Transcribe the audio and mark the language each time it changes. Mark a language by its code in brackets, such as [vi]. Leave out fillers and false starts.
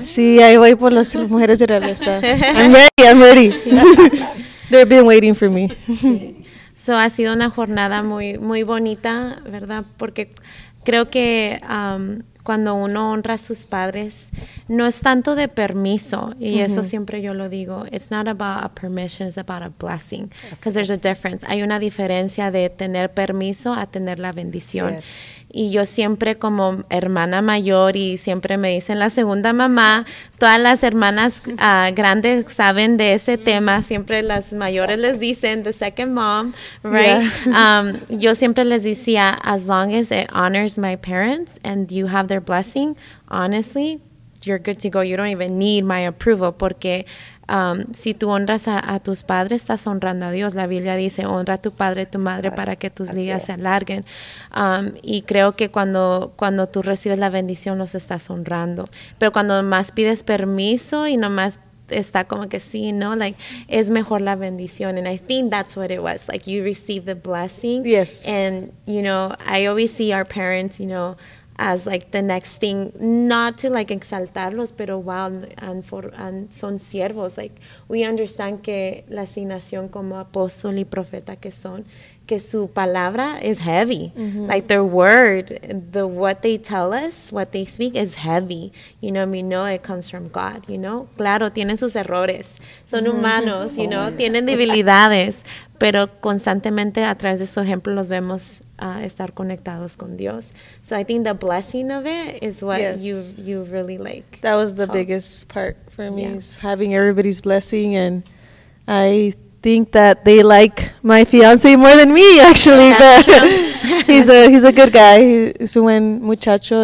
[es] Sí, ahí voy por las mujeres de realeza. [en] I'm ready. They've been waiting for me. [es] So, ha sido una jornada muy, muy bonita, ¿verdad? Porque creo que cuando uno honra a sus padres, no es tanto de permiso, y mm-hmm. eso siempre yo lo digo, [en] it's not about a permission, it's about a blessing, because there's a difference. [es] Hay una diferencia de tener permiso a tener la bendición. Yes. Y yo siempre como hermana mayor, y siempre me dicen la segunda mamá, todas las hermanas grandes saben de ese mm-hmm. tema, siempre las mayores les dicen, [en] the second mom, right? Yeah. [es] Yo siempre les decía, [en] as long as it honors my parents and you have their blessing, honestly, you're good to go. You don't even need my approval, [es] porque si tú honras a tus padres, estás honrando a Dios. La Biblia dice, honra a tu padre y tu madre para que tus días se alarguen. Y creo que cuando tú recibes la bendición, los estás honrando. Pero cuando más pides permiso y nomás está como que sí, ¿no? [en] Like, [es] es mejor la bendición. [en] And I think that's what it was. Like, you receive the blessing. Yes. And, you know, I always see our parents, you know, as like the next thing, not to like exaltarlos, pero wow, and [es] son siervos. Like, [en] we understand [es] que la asignación como apóstol y profeta que son, que su palabra [en] is heavy. Mm-hmm. Like, their word, the what they tell us, what they speak is heavy. You know, we know it comes from God, you know? [es] Claro, tienen sus errores. Son humanos, mm-hmm. you know? Tienen debilidades, pero constantemente a través de su ejemplo los vemos estar conectados con Dios. [en] So I think the blessing of it is what you really like. That was the biggest part for me, is having everybody's blessing. And I think that they like my fiance more than me, actually. But he's a good guy. He's [es] un buen muchacho.